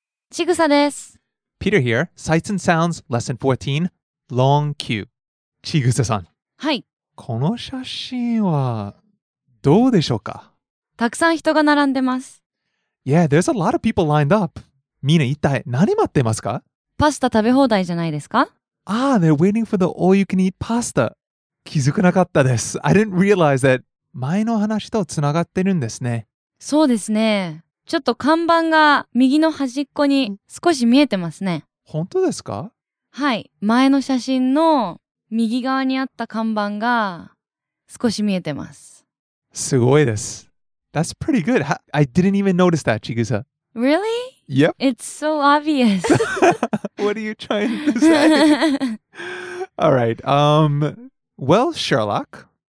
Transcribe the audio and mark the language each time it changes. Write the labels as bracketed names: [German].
[Japanese] ちぐさです。 [English] Peter here. Sights and Sounds, Lesson 14, Long Queue. ちぐささん。 [Japanese] はい。この写真はどうでしょうか？たくさん人が並んでます。 [English] Yeah, there's a lot of people lined up. [Japanese] みんな一体何待ってますか？パスタ食べ放題じゃないですか？ [English] Ah, they're waiting for the all-you-can-eat pasta. [Japanese] 気づかなかったです。 [English] I didn't realize that. [Japanese] 前の話とつながってるんですね。そうですね。ちょっと看板が右の端っこに少し見えてますね。本当ですか？はい、前の写真の右側にあった看板が少し見えてます。すごいです。 [English] That's pretty good. I didn't even notice that, Chigusa. Really? Yep. It's so obvious. What are you trying to say? All right, well, Sherlock.